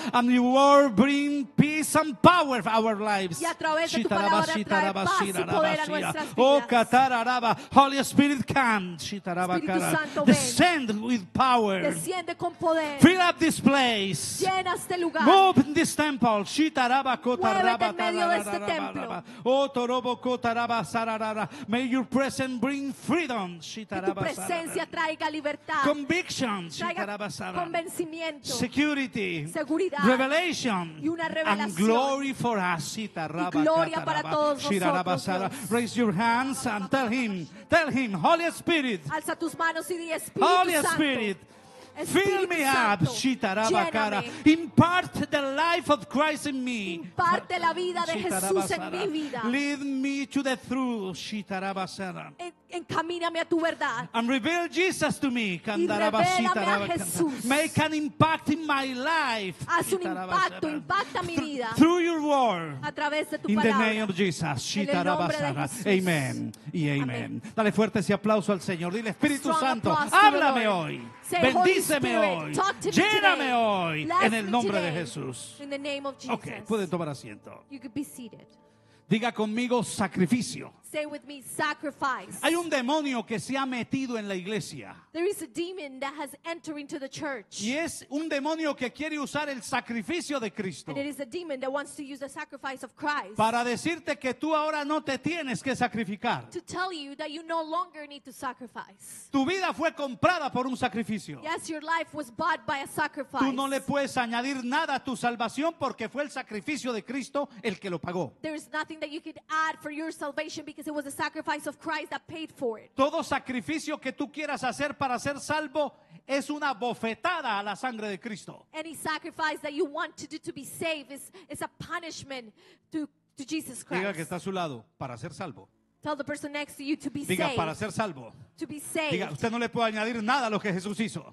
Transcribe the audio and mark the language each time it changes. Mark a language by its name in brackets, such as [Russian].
[English] And your word bring peace and power for our lives. [Spanish] Y a través de tu palabra trae paz y poder a nuestras vidas. [English] Oh, katararaba. Holy Spirit, come. Shitaraba, kara. Descend with power. [Spanish] Desciende con poder. [English] Fill up this place. [Spanish] Llena este lugar. [English] Move in this temple. Shitaraba, kotaraba, kararaba. Oh, torobo, kotaraba, sararara. May your presence bring freedom. [Spanish] Que tu presencia traiga libertad. [English] Conviction. [Spanish] Traiga convencimiento. [English] Security. [Spanish] Seguridad. [English] Revelation. [Spanish] Y una revelación. [English] And glory for us. [Spanish] Y gloria para todos nosotros. [English] Raise your hands and tell him, Holy Spirit. [Spanish] Alza tus manos y di Espíritu Santo. [English] Holy Spirit. Fill me up, shitaraba kara. Impart the life of Christ in me. [Spanish] Imparte la vida de Jesús en mi vida. [English] Lead me to the truth, shitaraba sara. [Spanish] Encamíname a tu verdad. [English] And reveal Jesus to me, kandaraba shitaraba kara. Make an impact in my life. [Spanish] Haz un impacto, impacta mi vida. [English] Through your word. [Spanish] A través de tu palabra. [English] In the name of Jesus, shitaraba sara. Amen. Y amen. [Spanish] Dale fuerte ese aplauso al Señor. Dile, Espíritu Santo, háblame hoy. Bendíceme hoy, lléname hoy, en el nombre de Jesús. Ok, puede tomar asiento. Diga conmigo, sacrificio. [English] Say with me, sacrifice. [Spanish] Hay un demonio que se ha metido en la iglesia. [English] There is a demon that has entered into the church. [Spanish] Y es un demonio que quiere usar el sacrificio de Cristo. [English] And it is a demon that wants to use the sacrifice of Christ. [Spanish] Para decirte que tú ahora no te tienes que sacrificar. [English] To tell you that you no longer need to sacrifice. [Spanish] Tu vida fue comprada por un sacrificio. [English] Yes, your life was bought by a sacrifice. [Spanish] Tú no le puedes añadir nada a tu salvación porque fue el sacrificio de Cristo el que lo pagó. [English] There is nothing that you could add for your salvation because it was the sacrifice of Christ that paid for it. [Spanish] Todo sacrificio que tú quieras hacer para ser salvo es una bofetada a la sangre de Cristo. [English] Any sacrifice that you want to do to be saved is a punishment to Jesus Christ. [Spanish] Diga que está a su lado para ser salvo. [English] Tell the person next to you to be [Spanish] diga, [English] saved. [Spanish] Diga para ser salvo. [English] To be saved. [Spanish] Diga, usted no le puede añadir nada a lo que Jesús hizo.